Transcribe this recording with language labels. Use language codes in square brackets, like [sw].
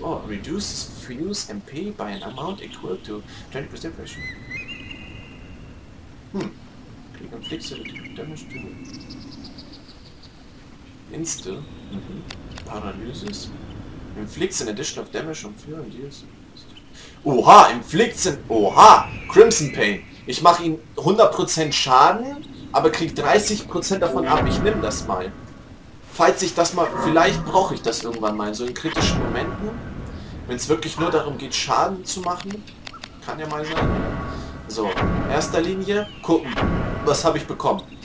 [en] Oh, reduce Fuel's MP by an amount equal to 20% pressure. [de] Krieg ein Flixer, [en] Damage to... Instill. Paralysis. Inflicts an addition of damage on Fuel and deals. Oha, inflicts an... Oha! Crimson Pain. [de] Ich mache ihn 100% Schaden, aber krieg 30% davon ab. Ich nehme das mal. Falls ich das mal... Vielleicht brauche ich das irgendwann mal, so in kritischen Momenten. Wenn es wirklich nur darum geht, Schaden zu machen. Kann ja mal sein. So, erster Linie. Gucken, was habe ich bekommen.